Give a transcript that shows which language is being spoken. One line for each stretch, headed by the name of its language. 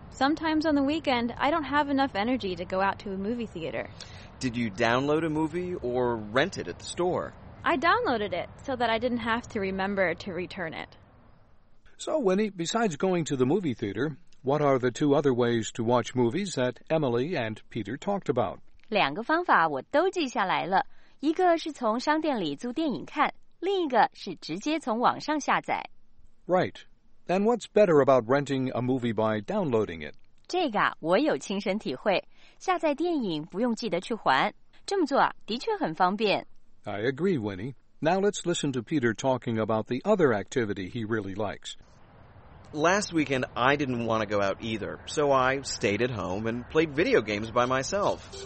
English: Sometimes on the weekend, I don't have enough energy to go out to a movie theater. Did you download a movie or rent it at the store? I downloaded it so that I didn't have to remember to return it. So, Winnie, besides going to the movie theater, what are the two other ways to watch movies that Emily and Peter talked about?
Chinese: 两个方法我都记下来了，一个是从商店里租电影看，另一个是直接从网上下载。
English: Right. And what's better about renting a movie by downloading it?
Chinese: 这个啊，我有亲身体会。下载电影不用记得去还，这么做啊，的确很方便。
English: I agree, Winnie. Now let's listen to Peter talking about the other activity he really likes. Last weekend, I didn't want to go out either, so I stayed at home and played video games by myself.